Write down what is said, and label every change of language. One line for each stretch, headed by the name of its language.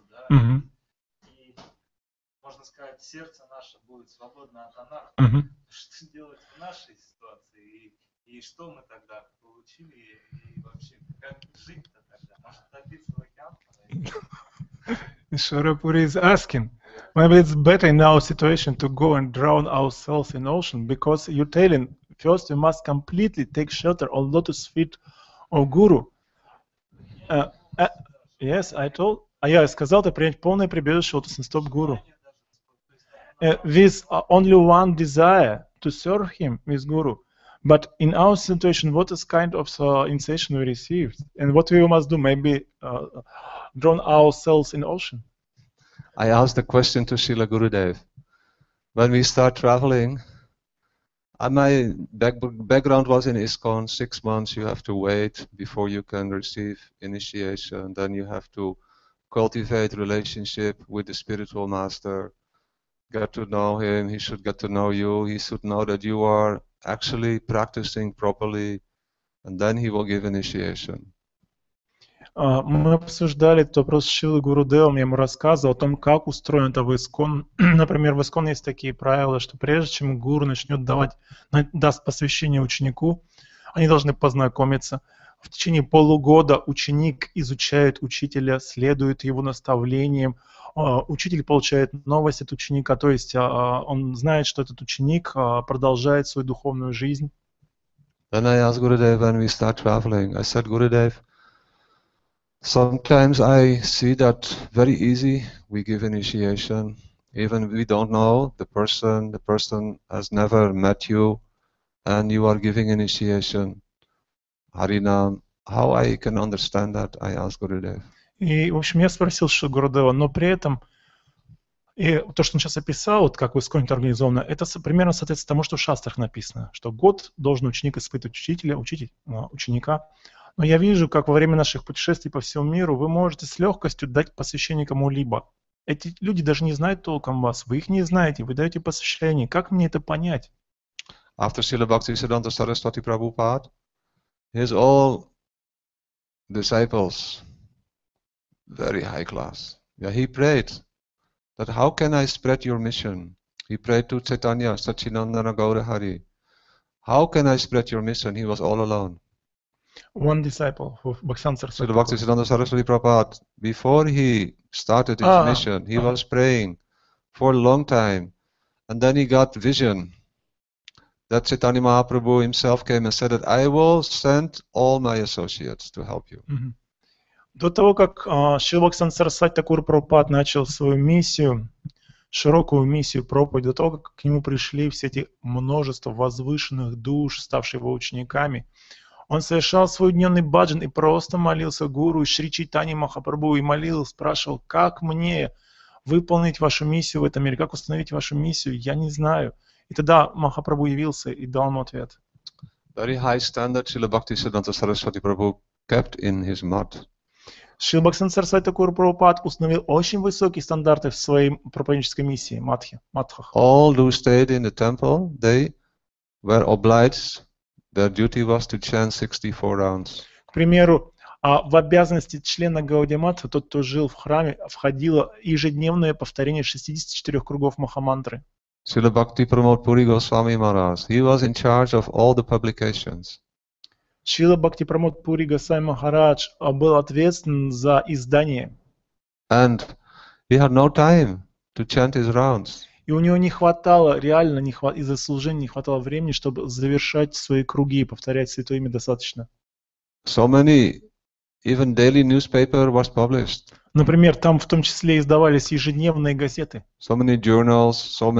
Russian: И можно сказать, сердце наше будет свободно от анархии. Что делать в нашей ситуации? И что мы тогда получили? И вообще, как жить-то тогда? Может, добиться в океан?
English: Шарапури is asking, maybe it's better in our situation to go and drown ourselves in ocean, because you're telling, first we must completely take shelter on lotus feet of guru. Yes, I told.
Russian: А я сказал, ты принять полное прибежище лотосный стоп гуру.
English: With only one desire to serve him, with guru. But in our situation, what is kind of sensation we received? And what we must do? Maybe drown ourselves in ocean. I asked the question to Srila Gurudev. When we start traveling, my background was in ISKCON, 6 months you have to wait before you can receive initiation, then you have to cultivate relationship with the spiritual master, get to know him, he should get to know you, he should know that you are actually practicing properly, and then he will give initiation.
Russian: Мы обсуждали этот вопрос с Шрилой Гурудевом, я ему рассказывал о том, как устроен это в ИСКОН. Например, в ИСКОН есть такие правила, что прежде чем гуру начнет даст посвящение ученику, они должны познакомиться. В течение полугода ученик изучает учителя, следует его наставлениям. Учитель получает новость от ученика, то есть он знает, что этот ученик продолжает свою духовную жизнь.
English: Then I asked Gurudev when we start traveling. I said, Gurudev, sometimes I see that very easy we give initiation, even we don't know the person has never met you, and you are giving initiation. Харинам, how I can understand that, I asked Gurudev.
Russian: И, в общем, я спросил Шри Гурудева, но при этом, и то, что он сейчас описал, вот как в ИСКОН организовано, это примерно соответствует тому, что в шастрах написано, что год должен ученик испытывать учителя, ученика. Но я вижу, как во время наших путешествий по всему миру вы можете с легкостью дать посвящение кому-либо. Эти люди даже не знают толком вас, вы их не знаете, вы даете посвящение. Как мне это понять?
English: After Srila Bhaktivedanta Saraswati Prabhupada, his all disciples, very high class. Yeah, he prayed that how can I spread your mission? He prayed to Chaitanya, Satchinandana Gaura Hari. How can I spread your mission? He was all alone. One disciple of Bhaksan Sarasvati. So Bhaktisiddhanta Sarasvati Prabhupada, before he started his mission, he was praying for a long time. And then he got vision. That Chaitanya Mahaprabhu himself came and said that I will send all my associates to help you. Mm-hmm.
Russian: До того, как Шрила Бхактисиддханта Сарасвати Такур Прабхупад начал свою миссию, широкую миссию проповедь, до того, как к нему пришли все эти множество возвышенных душ, ставшие его учениками, он совершал свой дневный баджан и просто молился гуру Шри Чайтанья Махапрабху и молил, спрашивал, как мне выполнить вашу миссию в этом мире, как установить вашу миссию, я не знаю. И тогда Махапрабху явился и дал ему ответ.
English: Very high standard Srila Bhaktisiddhanta Saraswati Prabhu kept in his mat.
Russian: Srila Bhaktisiddhanta Saraswati Thakura Prabhupada установил очень высокие стандарты в своей проповеднической миссии, матхах.
English: All who stayed in the temple, they were obliged, their duty was to chant 64 rounds.
Russian: К примеру, в обязанности члена Гауди Матха, тот, кто жил в храме, входило ежедневное повторение 64 кругов Махамантры.
English: Srila Bhakti Pramod Puri Goswami Maharaj, he was in charge of all the publications.
Russian: Srila Bhakti Pramod Puri Goswami Maharaj был ответственен за издание.
English: And he had no time to chant his rounds.
Russian: И у него не хватало, реально не хватало, из-за служения не хватало времени, чтобы завершать свои круги и повторять святое имя достаточно.
English: So many, even daily newspaper was published.
Russian: Например, там в том числе издавались ежедневные газеты,
English: so many journals, so many